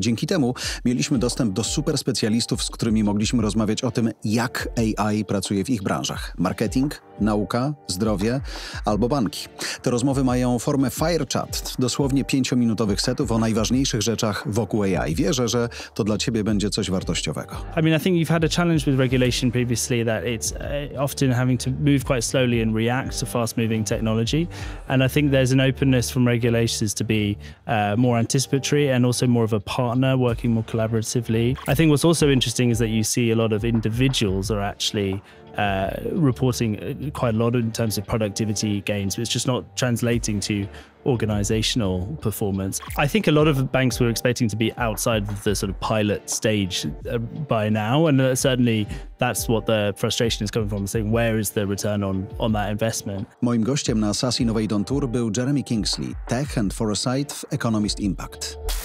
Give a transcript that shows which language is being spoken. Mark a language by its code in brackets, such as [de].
[pl] Dzięki temu mieliśmy dostęp do super specjalistów, z którymi mogliśmy rozmawiać o tym, jak AI pracuje w ich branżach. Marketing, nauka, zdrowie albo banki. Te rozmowy mają formę fire chat, dosłownie 5-minutowych setów o najważniejszych rzeczach wokół AI. Wierzę, że to dla ciebie będzie coś wartościowego. [en] I mean, I think you've had a challenge with regulation previously, that it's often having to move quite slowly and react to fast moving technology. And I think there's an openness from regulators to be more anticipatory and also more of a partner, working more collaboratively. I think what's also interesting is that you see a lot of individuals are actually reporting quite a lot in terms of productivity gains, but it's just not translating to organizational performance. I think a lot of banks were expecting to be outside of the sort of pilot stage by now, and certainly that's what the frustration is coming from, saying where is the return on that investment. [pl] Moim gościem na SASI Nowej Don Tour był Jeremy Kingsley, Tech and Foresight w Economist Impact.